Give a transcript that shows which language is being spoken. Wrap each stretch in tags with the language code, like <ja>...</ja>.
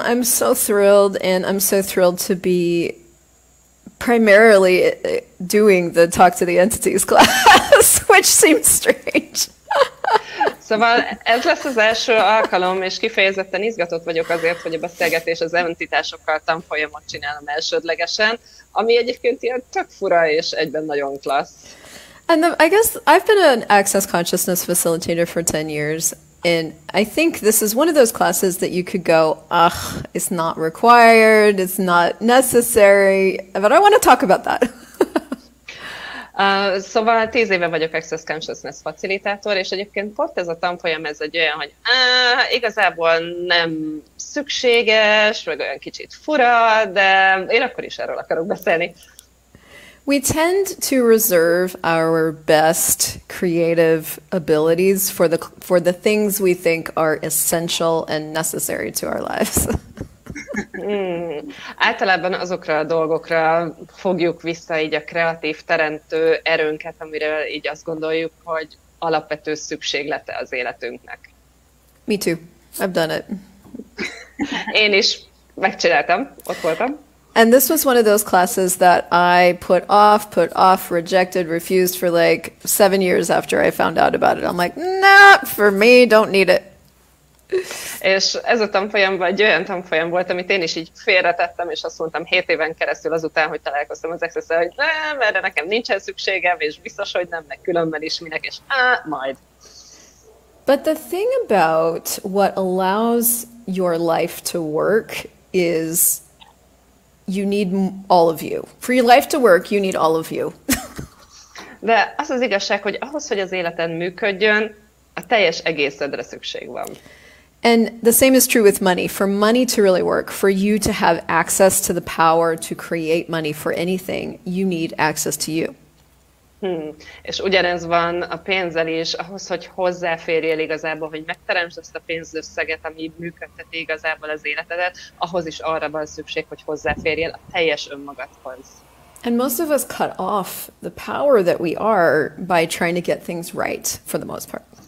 <en>I'm so thrilled, and I'm so thrilled to be primarily doing the Talk to the Entities class, which seems strange.</en> <hu>Szóval ez lesz az első alkalom, és kifejezetten izgatott vagyok azért, hogy a beszélgetés az entitásokkal tanfolyamot csinálom elsődlegesen, ami egyébként ilyen tök fura és egyben nagyon klassz.</hu> <en>And I guess I've been an Access Consciousness facilitator for 10 years, and I think this is one of those classes that you could go, ugh, it's not required, it's not necessary, but I want to talk about that.</en> <hu>Szóval 10 éve vagyok Access Consciousness facilitátor, és egyébként pont ez a tanfolyam, ez egy olyan, hogy igazából nem szükséges, meg olyan kicsit fura, de én akkor is erről akarok beszélni.</hu> <en>We tend to reserve our best creative abilities for the things we think are essential and necessary to our lives.</en> <hu>Általában azokra a dolgokra fogjuk vissza így a kreatív teremtő erőnket, amiről így azt gondoljuk, hogy alapvető szükséglete az életünknek.</hu> <en>Me too. I've done it.</en> <hu>Én is megcsináltam, ott voltam.</hu> <en>And this was one of those classes that I put off, rejected, refused for like 7 years after I found out about it. I'm like, not for me, don't need it.</en> <hu>És ez a tanfolyam, vagy olyan tanfolyam volt, amit én is így félretettem, és azt mondtam 7 éven keresztül azután, hogy találkoztam az Access-szel, hogy nem, erre nekem nincsen szükségem, és biztos, hogy nem, meg különben is minek, és majd.</hu> <en>But the thing about what allows your life to work is you need all of you. For your life to work, you need all of you.</en> <hu>De az az igazság, hogy ahhoz, hogy az életen működjön, a teljes egészedre szükség van.</hu> <en>And the same is true with money. For money to really work, for you to have access to the power to create money for anything, you need access to you.</en> <hu>És ugyanez van a pénzzel is, ahhoz, hogy hozzáférjél igazából, hogy megteremtsd azt a pénzösszeget, ami működteti igazából az életedet, ahhoz is arra van szükség, hogy hozzáférjél a teljes önmagadhoz.</hu> <en>And most of us cut off the power that we are by trying to get things right, for the most part.</en>